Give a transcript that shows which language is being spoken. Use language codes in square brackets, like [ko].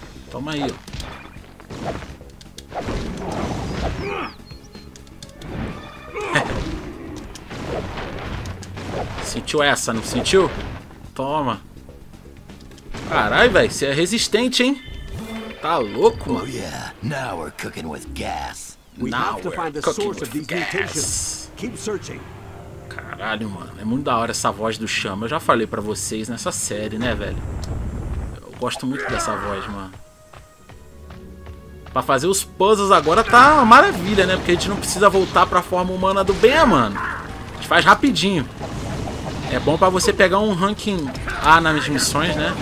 [pt] Toma aí, ó. Sentiu essa, não sentiu? Toma. Caralho, velho, você é resistente, hein? Tá louco, mano. [en] Oh, yeah. Now we're cooking with gas. We have to find the source of these mutations. Keep searching. [pt] Caralho, mano, é muito da hora essa voz do Chama. Eu já falei pra vocês nessa série, né, velho? Eu gosto muito dessa voz, mano. Pra fazer os puzzles agora tá uma maravilha, né? Porque a gente não precisa voltar pra forma humana do Ben, mano. A gente faz rapidinho. É bom pra você pegar um ranking A nas missões, né?